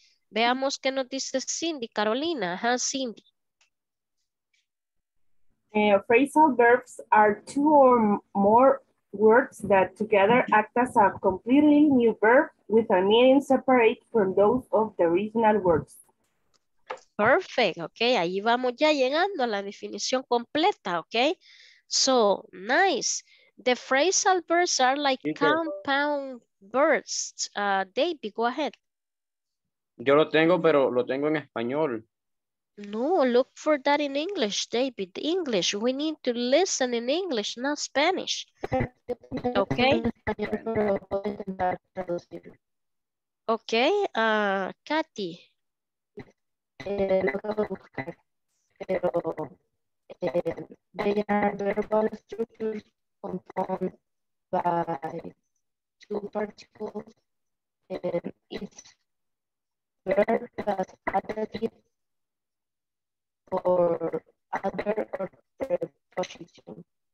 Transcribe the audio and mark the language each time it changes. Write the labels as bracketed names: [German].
[Spanish] Veamos qué nos dice Cindy, Carolina. Ajá, Cindy. [English] Phrasal verbs are two or more words that together act as a completely new verb with a meaning separate from those of the original words. Perfect, ok. [Spanish] Ahí vamos ya llegando a la definición completa, ok. [English] So, nice. The phrasal verbs are like compound verbs. David, go ahead. [Spanish] Yo lo tengo, pero lo tengo en español. [English] No, look for that in English, David. English, we need to listen in English, not Spanish. Okay. Okay, Katy. They are verbal structures compound by two particles, and each verb has adjective or other preposition.